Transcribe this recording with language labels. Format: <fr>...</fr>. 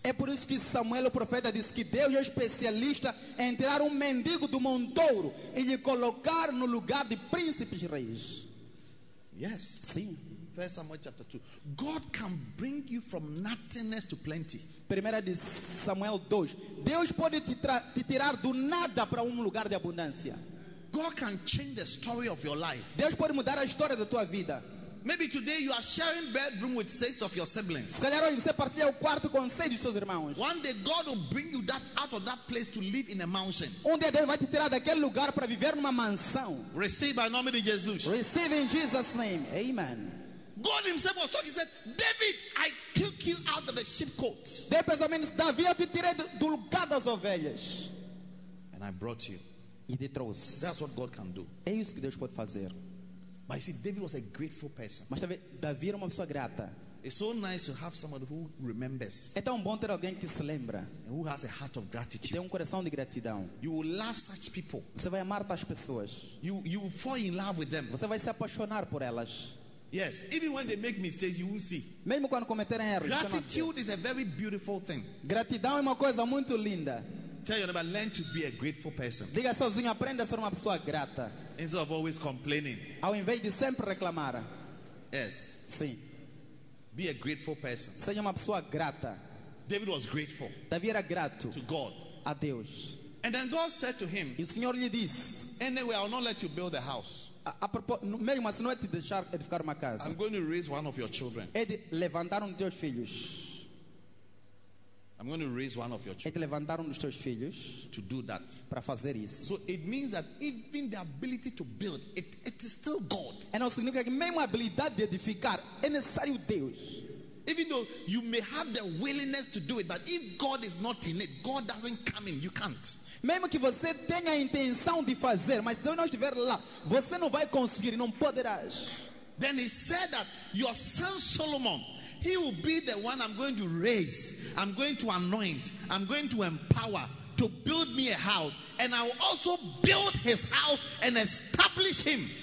<pt>É por isso que Samuel o profeta disse que Deus é especialista em tirar mendigo do montouro e lhe colocar no lugar de príncipes e reis.</pt> <en>Yes.</en> <pt>Sim.</pt> <en>1 Samuel chapter 2. God can bring you from nothingness to plenty.</en> <pt>Primeira de Samuel 2. Deus pode te tirar do nada para lugar de abundância.</pt> <en>God can change the story of your life.</en> <pt>Deus pode mudar a história da tua vida.</pt> <en>Maybe today you are sharing bedroom with six of your siblings.</en> <pt>Galera, você partilha o quarto com seis de seus irmãos.</pt> <en>One day God will bring you that out of that place to live in a mansion.</en> <pt>Onde Deus vai te tirar daquele lugar para viver numa mansão.</pt> <en>Receive by</en> <pt>nome de Jesus.</pt> <en>Receive in Jesus' name. Amen. God himself was talking, he said, David, I took you out of the sheepcote.</en> <pt>Depois também disse, Davi, eu te tirei do lugar das ovelhas.</pt> <en>And I brought you.</en> <pt>E te trouxe.</pt> <en>That's what God can do.</en> <pt>É isso que Deus pode fazer.</pt> <en>But you see, David was a grateful person.</en> <pt>Mas Davi era uma pessoa grata.</pt> <en>It's so nice to have someone who remembers.</en> <pt>É tão bom ter alguém que se lembra.</pt> <en>And who has a heart of gratitude.</en> <pt>Tem coração de gratidão.</pt> <en>You will love such people.</en> <pt>Você vai amar tais pessoas.</pt> <en>You will fall in love with them.</en> <pt>Você vai se apaixonar por elas.</pt> <en>Yes, even when they make mistakes, you will see.</en> <pt>Mesmo quando cometerem erros.</pt> <en>Gratitude is a very beautiful thing.</en> <pt>Gratidão é uma coisa muito linda.</pt> <en>Tell your neighbor, learn to be a grateful person.</en> <pt>Diga sozinho, aprenda a ser uma pessoa grata.</pt> <en>Instead of always complaining.</en> <pt>Ao invés de sempre reclamar.</pt> <en>Yes.</en> <pt>Sim.</pt> <en>Be a grateful person.</en> <pt>Seja uma pessoa grata.</pt> <en>David was grateful.</en> <pt>Davi era grato.</pt> <en>To God.</en> <pt>A Deus.</pt> <en>And then God said to him.</en> <pt>E o Senhor lhe disse.</pt> <en>Anyway, I'll not let you build a house.</en> <pt>Mesmo assim, não é te deixar edificar uma casa.</pt> <en>I'm going to raise one of your children.</en> <pt>É de levantar de teus filhos.</pt> <en>I'm going to raise one of your children.</en> <pt>É te levantar dos teus filhos.</pt> <en>To do that.</en> <pt>Para fazer isso.</pt> <en>So it means that even the ability to build, it it is still God.</en> <pt>É não significa que mesmo a habilidade de edificar é necessário Deus.</pt> <en>Even though you may have the willingness to do it, but if God is not in it, God doesn't come in, you can't.</en> <pt>Mesmo que você tenha a intenção de fazer, mas se Deus não estiver lá, você não vai conseguir, não poderás.</pt> <en>Then he said that your son Solomon, he will be the one I'm going to raise, I'm going to anoint, I'm going to empower to build me a house, and I will also build his house and establish him.</en>